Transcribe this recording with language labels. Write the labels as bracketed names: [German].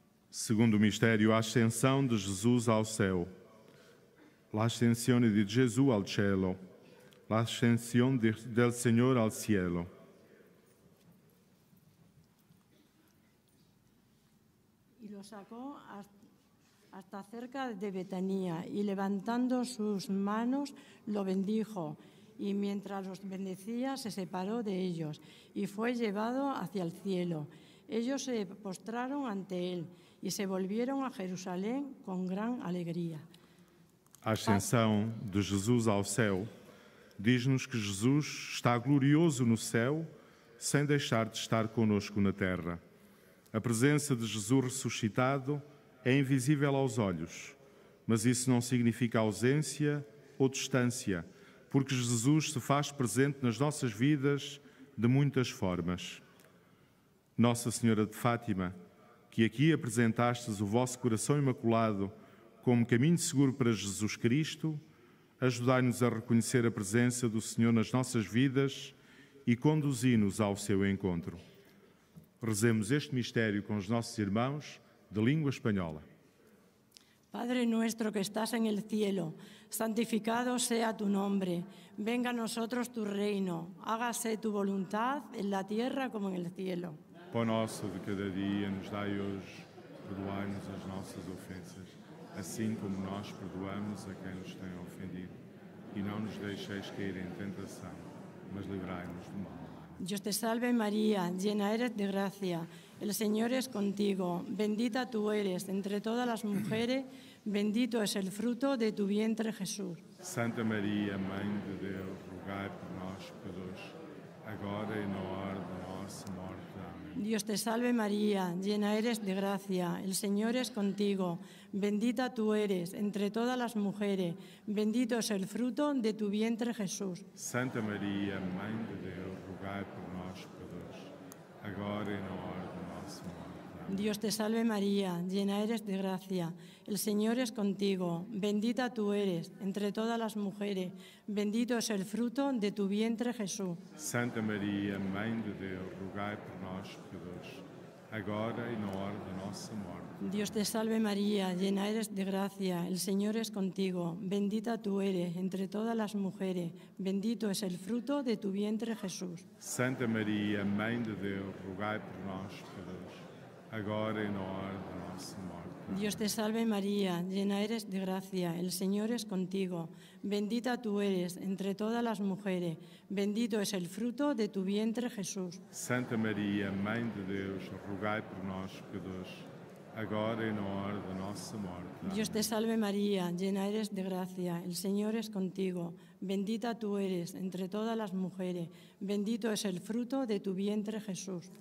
[Portuguese] Segundo mistério, a ascensão de Jesus ao céu. [Italian] L'ascensione di Gesù al cielo. L'ascensione del Signore al cielo. [Spanish] Y lo sacó hasta cerca de Betania, y levantando sus manos lo bendijo, y mientras los bendecía se separó de ellos y fue llevado hacia el cielo. Ellos se postraron ante él y se volvieron a Jerusalén con gran alegría. [Portuguese] A ascensão de Jesus ao céu diz-nos que Jesus está glorioso no céu sem deixar de estar conosco na terra. A presença de Jesus ressuscitado é invisível aos olhos, mas isso não significa ausência ou distância, porque Jesus se faz presente nas nossas vidas de muitas formas. Nossa Senhora de Fátima, que aqui apresentastes o vosso coração imaculado como caminho seguro para Jesus Cristo, ajudai-nos a reconhecer a presença do Senhor nas nossas vidas e conduzi-nos ao seu encontro. Rezemos este mistério com os nossos irmãos de língua espanhola. [Spanish] Padre nuestro que estás en el cielo, santificado sea tu nombre, venga a nosotros tu reino, hágase tu voluntad en la tierra como en el cielo. [Portuguese] Pão nosso de cada dia nos dai hoje, perdoai-nos as nossas ofensas, assim como nós perdoamos a quem nos tem ofendido. E não nos deixeis cair em tentação, mas livrai-nos do mal. [Spanish] Dios te salve María, llena eres de gracia, el Señor es contigo, bendita tú eres entre todas las mujeres, bendito es el fruto de tu vientre Jesús. [Portuguese] Santa María, Mãe de Deus, rogai por nós pecadores, agora e na hora da nossa morte. Amém. [Spanish] Dios te salve María, llena eres de gracia, el Señor es contigo, bendita tú eres entre todas las mujeres, bendito es el fruto de tu vientre Jesús. [Portuguese] Santa María, Mãe de Deus, rogai por nós pecadores, agora e na hora da nossa morte. Amém. [Spanish] Dios te salve María, llena eres de gracia, el Señor es contigo, bendita tú eres entre todas las mujeres, bendito es el fruto de tu vientre Jesús. [Portuguese] Santa María, Mãe de Deus, rogai por nós pecadores, agora e na hora da nossa morte. Amém. [Spanish] Dios te salve María, llena eres de gracia, el Señor es contigo, bendita tú eres entre todas las mujeres, bendito es el fruto de tu vientre Jesús. [Portuguese] Santa María, Mãe de Deus, rogai por nós pecadores, agora e na hora da nossa morte. Amém. [Spanish] Dios te salve María, llena eres de gracia, el Señor es contigo, bendita tú eres entre todas las mujeres, bendito es el fruto de tu vientre, Jesús. [Portuguese] Santa María, Mãe de Deus, rogai por nós, pecadores, agora e na hora da nossa morte. Amém. [Spanish] Dios te salve María, llena eres de gracia, el Señor es contigo, bendita tú eres entre todas las mujeres, bendito es el fruto de tu vientre, Jesús.